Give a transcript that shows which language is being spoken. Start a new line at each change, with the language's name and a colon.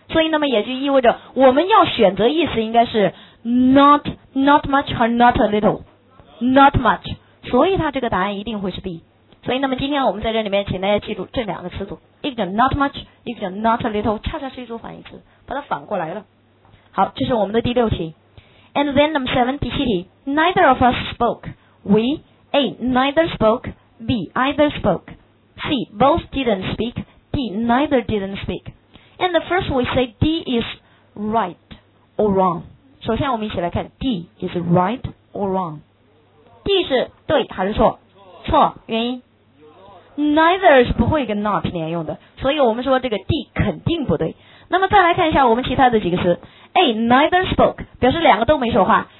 Chinese: 所以那么也就意味着我们要选择意思应该是 not much or not a little， not much， 所以它这个答案一定会是 B。所以那么今天我们在这里面请大家记住这两个词组，一个叫 not much， 一个叫 not a little， 恰恰是一组反义词，把它反过来了。好，这是我们的第六题。
English: And then number 7,
Chinese: 第七题。
English: Neither of us spoke. We A. Neither spoke. B. Either spoke. C. Both didn't speak. D. Neither didn't speak. And the first we say D is right or wrong.
Chinese: 首先我们一起来看
English: D is right or wrong.
Chinese: D 是对还是错？错。原因 Neither 是不会跟 not 连用的，所以我们说这个 D 肯定不对。那么再来看一下我们其他的几个词。A. Neither spoke 表示两个都没说话。